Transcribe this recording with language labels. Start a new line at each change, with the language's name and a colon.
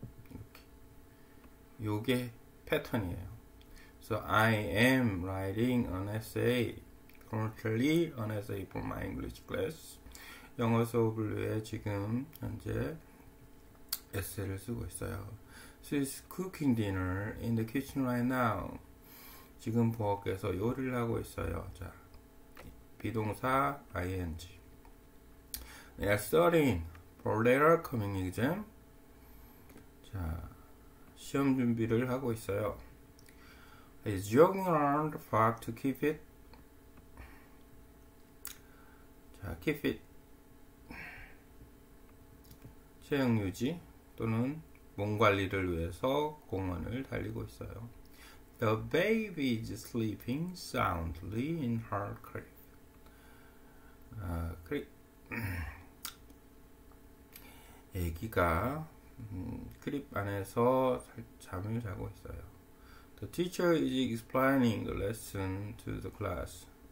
Korean: 이렇게. 요게 패턴이에요.
English: So, I am writing an essay. Currently, an essay for my English class.
Korean: 영어 수업을 위해 지금 현재 에세이를 쓰고 있어요.
English: She's cooking dinner in the kitchen right now.
Korean: 지금 부엌에서 요리를 하고 있어요. 자, 비동사 ing.
English: They are studying for their coming exam.
Korean: 자, 시험 준비를 하고 있어요.
English: He's jogging around the park to keep it. 자, keep it.
Korean: 체형 유지 또는 몸 관리를 위해서 공원을 달리고 있어요.
English: The baby is sleeping soundly in her crib.
Korean: 아기가 크립 안에서 잠을 자고 있어요.
English: The teacher is explaining the lesson to the class.